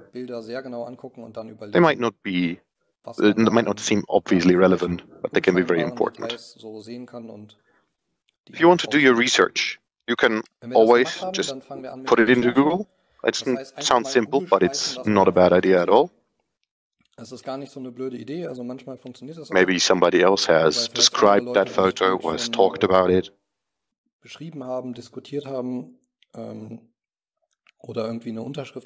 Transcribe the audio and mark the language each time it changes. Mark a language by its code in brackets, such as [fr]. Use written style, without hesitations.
[en] They might not seem obviously relevant, but they can be very important. If you want to do your research, you can always just put it into Google. It sounds simple, but it's not a bad idea at all. [de] Es ist gar nicht so eine blöde Idee, also manchmal funktioniert das. [en] Maybe somebody else has described that photo or has talked about it. [de] Beschrieben haben, diskutiert haben, oder irgendwie eine Unterschrift.